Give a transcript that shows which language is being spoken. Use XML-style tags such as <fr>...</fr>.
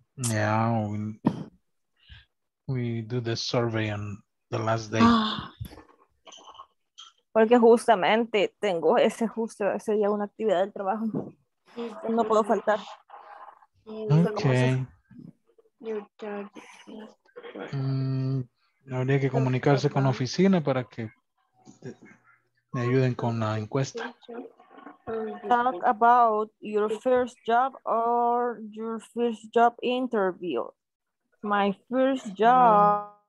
<en>Yeah, we do the survey on the last day.</en> <es>Porque justamente tengo ese justo ese día una actividad de trabajo. No puedo faltar.</es> <en>Okay.</en> <es>Habría que comunicarse con la oficina para que me ayuden con la encuesta.</es> <en>Talk about your first job or your first job interview. My first job.</en>